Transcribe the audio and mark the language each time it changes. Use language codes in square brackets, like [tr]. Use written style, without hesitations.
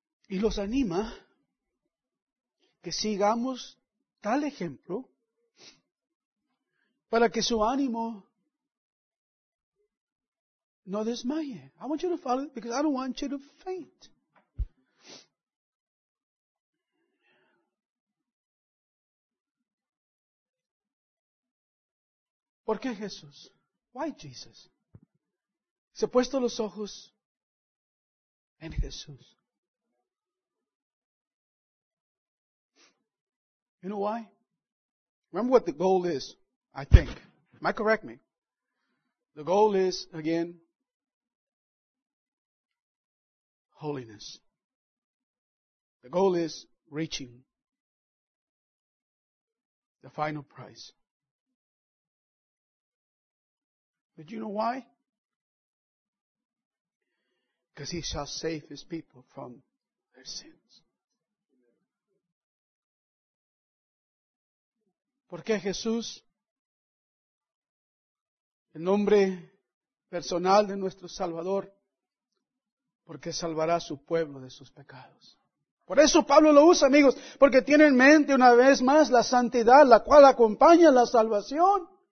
[es] Y los anima que sigamos tal ejemplo para que su ánimo no desmaye. [en] I want you to follow it because I don't want you to faint. [es] ¿Por qué Jesús? [en] Why Jesus? [es] Se ha puesto los ojos en Jesús. [en] You know why? Remember what the goal is, I think. Might correct me. The goal is, again, holiness. The goal is reaching the final prize. But do you know why? Because He shall save His people from their sins. [es] Porque Jesús, el nombre personal de nuestro Salvador, porque salvará a su pueblo de sus pecados. Por eso Pablo lo usa, amigos, porque tiene en mente una vez más la santidad, la cual acompaña la salvación.